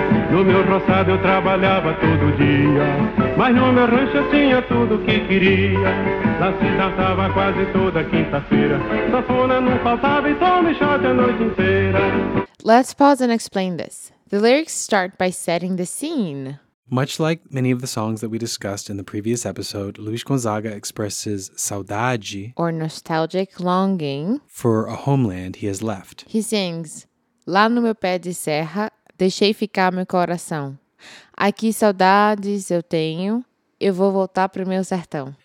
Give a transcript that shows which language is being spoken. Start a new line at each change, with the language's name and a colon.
Portuguese: No meu roçado eu trabalhava todo dia, mas no meu rancho eu tinha tudo que queria. Lá se dançava quase toda quinta-feira, sanfona não faltava e tome shot a noite inteira.
English: Let's pause and explain this. The lyrics start by setting the scene. Much like many of the songs that we discussed in the previous episode, Luiz Gonzaga expresses saudade, or nostalgic longing, for a homeland he has left. He sings,
Portuguese: Lá no meu pé de serra, deixei ficar meu coração. Aqui saudades eu tenho, eu vou voltar pro meu sertão.